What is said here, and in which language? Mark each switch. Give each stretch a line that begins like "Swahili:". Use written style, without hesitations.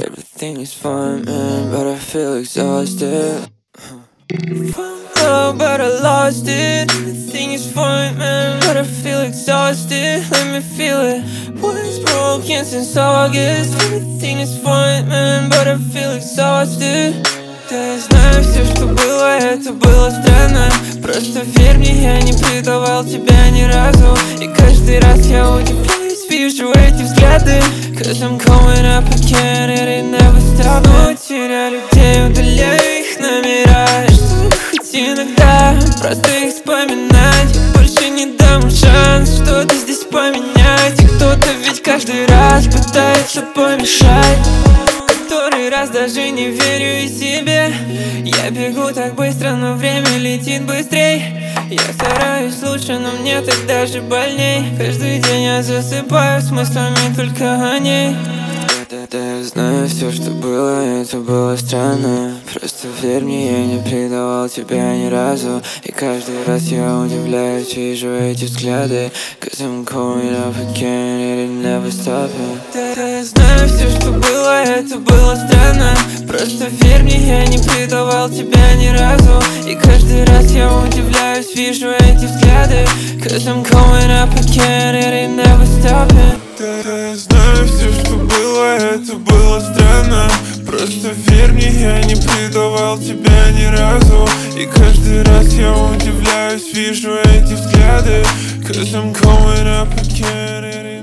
English: Everything is fine, man, but I feel exhausted. Found love, but I lost it. Everything is fine, man, but I feel exhausted. Let me feel it. Was broken since August. Everything is fine, man, but I feel exhausted.
Russian: Знаю все, что было, это было странно. Просто верь мне, я не предавал тебя ни разу. И каждый раз я удивляюсь, вижу эти взгляды.
English: Cause I'm coming up again, it ain't never stopping.
Russian: Но теряю людей, удаляю их номера. И что хоть иногда, просто их вспоминать. Больше не дам шанс что-то здесь поменять. И кто-то ведь каждый раз пытается помешать. Который раз даже не верю и себе. Я бегу так быстро, но время летит быстрей. Я стараюсь лучше, но мне так даже больней. Каждый день я засыпаю с мыслями только о ней. Да, я знаю все, что было, это было странно. Просто верь мне, я не предавал тебя ни разу. И каждый раз я удивляюсь, вижу эти взгляды.
English: Cause I'm coming up again, it ain't never stopping.
Russian: Да, я знаю все, что было, это было странно. Просто верь мне, я не предавал тебя ни разу. И каждый раз я удивляюсь, вижу эти взгляды.
English: Cause I'm coming up again, it ain't never stopping.
Russian: Да, я знаю все, что было, это было странно. Просто верь мне, я не предавал тебя ни разу. И каждый раз я удивляюсь, вижу эти взгляды.
English: Cause I'm coming up again.